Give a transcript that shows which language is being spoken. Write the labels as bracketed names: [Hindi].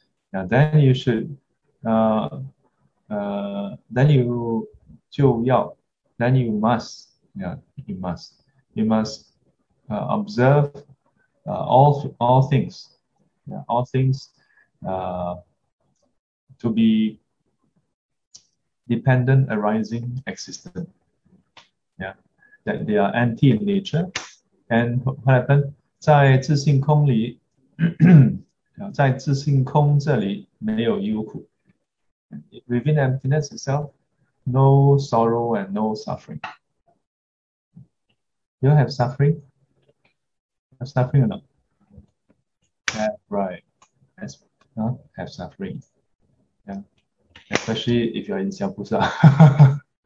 [English] Now then you should then you [Chinese] 就要, [English] then you must, yeah, you must observe all things, yeah, all things to be dependent arising existent, yeah, that they are anti in nature. And what happened? [Chinese] 在自性空里, 在自性空这里没有忧苦. [English] Within emptiness itself, no sorrow and no suffering. You have suffering? Have suffering or not? Yeah, right. Yes, have suffering. Yeah. Especially if you are in Xiaobusa.